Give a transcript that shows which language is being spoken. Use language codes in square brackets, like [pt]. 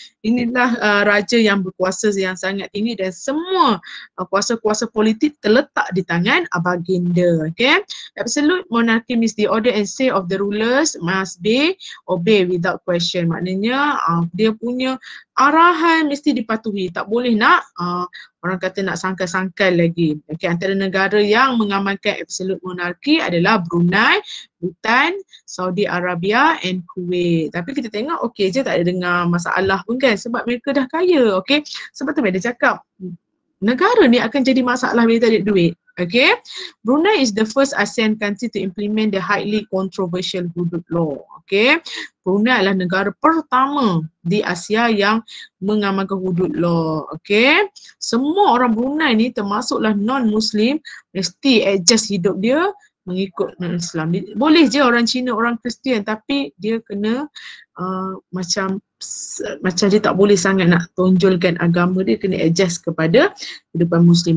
[ms] Inilah raja yang berkuasa yang sangat tinggi dan semua kuasa-kuasa politik terletak di tangan baginda. Okay. [en] Absolute monarchy means the order and say of the rulers must be obeyed without question. [ms] Maknanya dia punya arahan mesti dipatuhi. Tak boleh nak orang kata nak sangkal-sangkal lagi. Okay, antara negara yang mengamalkan absolute monarchy adalah Brunei, Bhutan, Saudi Arabia and Kuwait. Tapi kita tengok okey je, tak ada dengar masalah pun kan, sebab mereka dah kaya. Okay, sebab tu mereka cakap negara ni akan jadi masalah bila tak ada duit. [en] Okay, Brunei is the first ASEAN country to implement the highly controversial hudud law. [ms] Okay, Brunei adalah negara pertama di Asia yang mengamalkan hudud law. Okay, semua orang Brunei ni termasuklah non-Muslim mesti adjust hidup dia mengikut Islam. Boleh je orang Cina, orang Kristian, tapi dia kena macam dia tak boleh sangat nak tonjolkan agama dia, kena adjust kepada kehidupan Muslim.